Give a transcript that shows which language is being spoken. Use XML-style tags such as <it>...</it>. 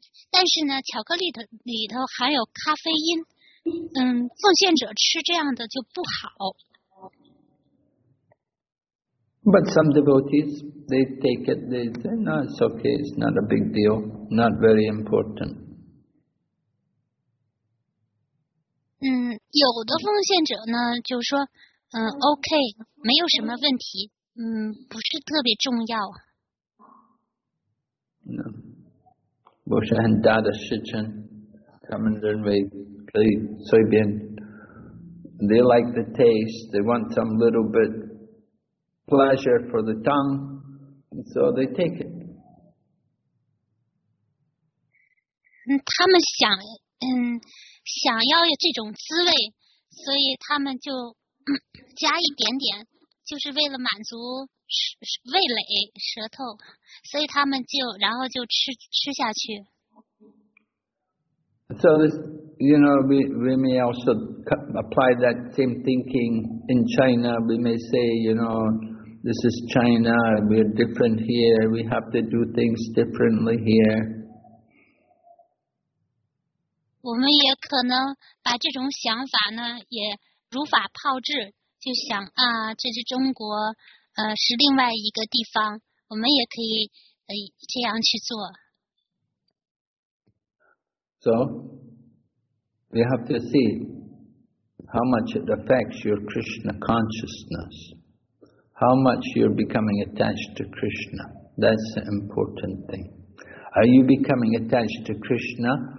<zh>但是呢，巧克力的里头含有咖啡因，奉献者吃这样的就不好。</zh> <en>But some devotees they take it, they say, no, it's okay, it's not a big deal, not very important.</en> <zh>有的奉献者呢就说OK, 没有什么问题，不是特别重要。不是很大的事情，他们认为可以随便。</zh> <en>They like the taste, they want some little bit pleasure for the tongue, so they take it.</en> <zh>他们想要有这种滋味，所以他们就加一点点，就是为了满足味蕾舌头，所以他们就然后就吃下去。</zh> <en>So this, you know, we may also apply that same thinking in China. We may say, you know, this is China, we're different here, we have to do things differently here.</en> <zh>我们也可能把这种想法呢也如法炮制，就想啊，这是中国，是另外一个地方，我们也可以这样去做。</zh> <en>So, we have to see how much it affects your Krishna consciousness, how much you're becoming attached to Krishna. That's the important thing. Are you becoming attached to Krishna?</en>